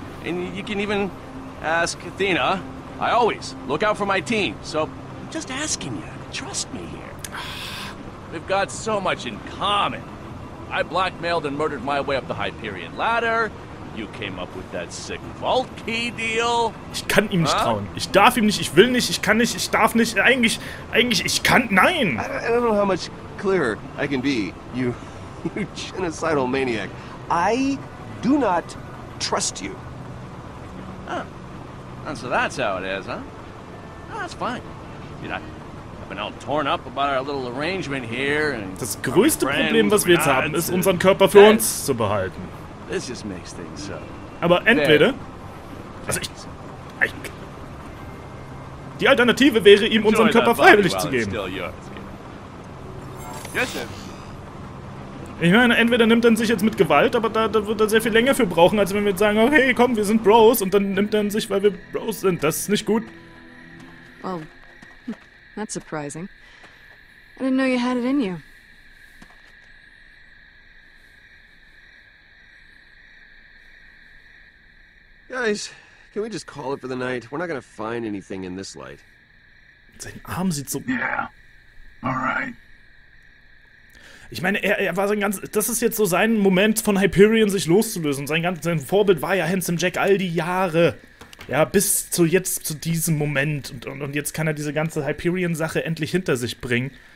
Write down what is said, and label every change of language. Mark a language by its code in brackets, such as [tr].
[en] And you can even ask Athena. I always look out for my team, so I'm just asking you. Trust me here. We've got so much in common. I blackmailed and murdered my way up the Hyperion Ladder. You came up with that sick vault key deal. [de] Ich kann ihm nicht trauen. Ich darf ihm nicht, ich will nicht, ich kann nicht, ich darf nicht. Eigentlich, ich kann, nein! [en] I don't know how much clearer I can be, you genocidal maniac. I do not trust you. Huh. And so that's how it is, huh? Oh, that's fine. You know, I've been all torn up about our little arrangement here. And [de] das größte Problem, was wir jetzt haben, ist, unseren Körper für uns zu behalten. [en] This just makes things so. [de] Aber entweder... Also ich... Die Alternative wäre, ihm unseren Körper freiwillig zu geben. [en] Yes, sir. [de] Ich meine, entweder nimmt er sich jetzt mit Gewalt, aber da wird er sehr viel länger für brauchen, als wenn wir sagen, oh, hey, komm, wir sind Bros, und dann nimmt er sich, weil wir Bros sind. Das ist nicht gut. [en] Well, that's surprising. I didn't know you had it in you. Guys, can we just call it for the night? We're not gonna find anything in this light. [de] Sein Arm sieht so... [en] Yeah, alright. [de] Ich meine, er war sein ganz... Das ist jetzt so sein Moment, von Hyperion sich loszulösen. Sein Vorbild war ja Handsome Jack all die Jahre. Ja, bis zu jetzt, zu diesem Moment. Und jetzt kann er diese ganze Hyperion-Sache endlich hinter sich bringen.